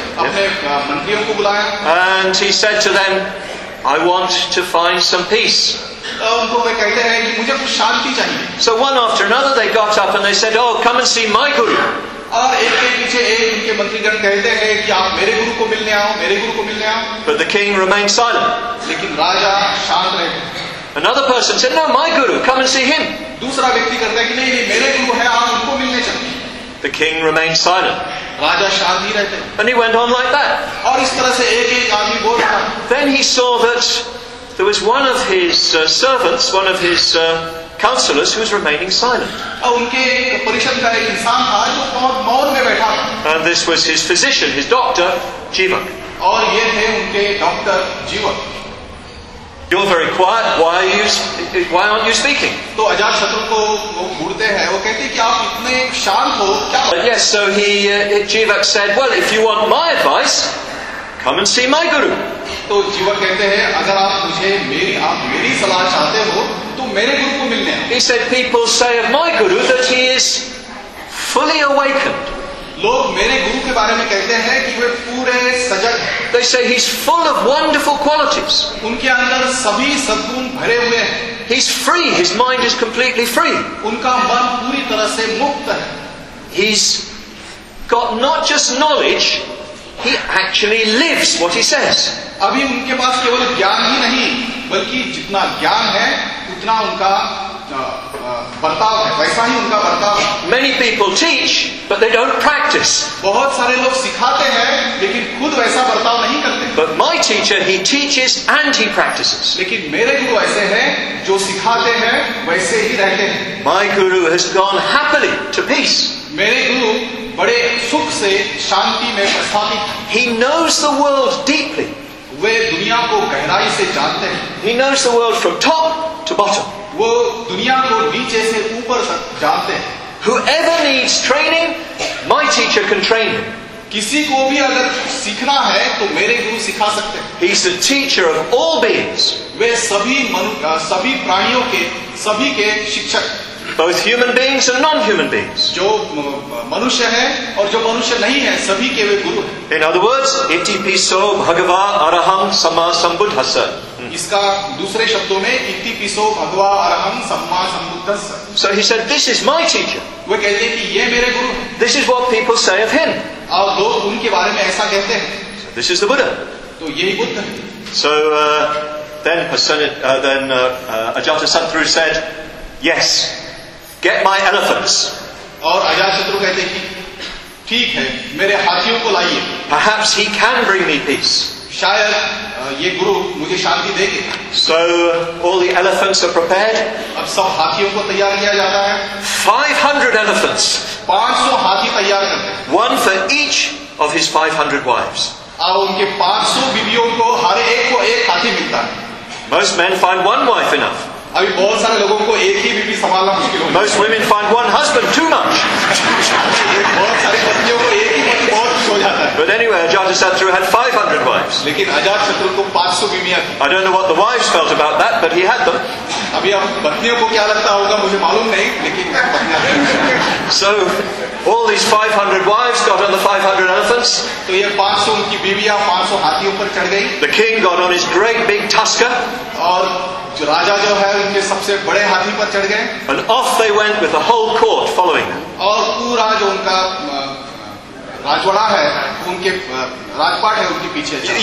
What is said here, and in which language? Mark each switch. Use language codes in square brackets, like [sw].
[hi] अपने मंत्रियों को बुलाया [en] And he said to them, I want to find some peace. [hi] उनको वे कहते हैं कि मुझे कुछ शांति चाहिए [en] So one after another they got up and they said, Oh, come and see my guru. [hi] और एक के पीछे एक उनके मंत्रीगण कहते हैं कि आप मेरे गुरु को मिलने आओ मेरे गुरु को मिलने आओ [en] But the king remained silent. [hi] लेकिन राजा शांत रहे [en] Another person said, "No, my guru, come and see him." [hi] दूसरा व्यक्ति कहता है कि नहीं नहीं मेरे गुरु हैं आप उनको मिलने चलिए. [en] The king remained silent. [hi] राजा शांत ही रहते. [en] And he went on like that. [hi] और इस तरह से एक-एक आदमी बोल रहा. [en] Then he saw that there was one of his servants, one of his counselors, who was remaining silent. [hi] और उनके परिषद का एक इंसान था जो बहुत मौन में बैठा था. [en] And this was his physician, his doctor, Jivak. [hi] और ये थे उनके डॉक्टर जीवक. [en] You're very quiet. Why aren't you speaking? [hi] तो अजात शत्रु को वो घूरते हैं. वो कहते हैं कि आप इतने शांत हो क्या? [en] Yes. So he Jivak said, Well, if you want my advice, come and see my guru. [hi] तो जीवक कहते हैं अगर आप मुझे मेरी आप मेरी सलाह चाहते हो तो मेरे गुरु को मिलने आओ. [en] He said, People say of my guru that he is fully awakened. [hi] लोग मेरे गुरु के बारे में कहते हैं कि वे पूरे सजग [en] They say he's full of wonderful qualities. [hi] उनके अंदर सभी सद्गुण भरे हुए हैं [en] He's free, his mind is completely free. [hi] उनका मन पूरी तरह से मुक्त है [en] He's got not just knowledge, he actually lives what he says. [hi] अभी उनके पास केवल ज्ञान ही नहीं, बल्कि जितना ज्ञान है, उतना उनका बर्ताव है, वैसा ही उनका बर्ताव। [en] Many people teach, but they don't practice. [hi] बहुत सारे लोग सिखाते हैं, लेकिन खुद वैसा बर्ताव नहीं करते। [en] But my teacher, he teaches and he practices. [hi] लेकिन मेरे गुरु ऐसे हैं, जो सिखाते हैं, वैसे ही रहते हैं। [en] My guru has gone happily to peace. [hi] मेरे गुरु बड़े सुख से शांति में प्रस्थापित। [en] He knows the world deeply. [hi] वे दुनिया को गहराई से जानते हैं। [en] He knows the world from top to bottom. [hi] वो दुनिया को नीचे से ऊपर तक जानते हैं। [en] Whoever needs training, my teacher can train him. [hi] किसी को भी अगर सीखना है तो मेरे गुरु सिखा सकते हैं। [en] He is the teacher of all beings. [hi] वे सभी सभी प्राणियों के सभी के शिक्षक। [en] Both human beings and non-human beings. [hi] जो मनुष्य है और जो मनुष्य नहीं है सभी के वे गुरु हैं। [en] In other words, [pi] इतिपिसो भगवा अरहम सम्मा संबुद्धस्स। [hi] इसका दूसरे शब्दों में [pi] इतिपिसो भगवा अरहम सम्मा संबुद्धस्स। [en] So he said, this is my teacher. [hi] वे कहते हैं कि ये मेरे गुरु हैं। [en] This is what people say of him. [hi] और लोग उनके बारे में ऐसा कहते हैं। [en] So this is the Buddha. [hi] तो यही बुद्ध है। [en] So then Ajatasattru said, yes. Get my elephants. [hi] और अजातशत्रु कहते हैं कि ठीक है, मेरे हाथियों को लाइए। [en] Perhaps he can bring me peace. [hi] शायद ये गुरु मुझे शांति देंगे। [en] So all the elephants are prepared. [hi] अब सब हाथियों को तैयार किया जाता है। [en] 500 elephants. [hi] 500 हाथी तैयार करते हैं। [en] One for each of his 500 wives. [hi] और उनके 500 बीवियों को हर एक को एक हाथी मिलता है। [en] Most men find one wife enough. [hi] अभी बहुत सारे लोगों को एक ही बीवी संभालना मुश्किल होता है। [en] Most women find one husband too much. [hi] बहुत सारे पतियों को एक ही पति बहुत हो जाता है। [en] But anyway, Ajatasattru had 500 wives. [hi] लेकिन अजातशत्रु को 500 बीवियां थी। [en] I don't know what the wives felt about that, but he had them. [hi] अभी अब पतियों को क्या लगता होगा मुझे मालूम नहीं, लेकिन [en] So all these 500 wives got on the 500 elephants. [hi] तो ये 500 उनकी बीवियां 500 हाथियों पर चढ़ गईं। [en] The king got on his great big tusker. [hi] और जो राजा जो है उनके सबसे बड़े हाथी पर चढ़ गए। [en] And off they went with the whole court following. [hi] और पूरा जो उनका राजवाड़ा है उनके राजपाट है उनके पीछे।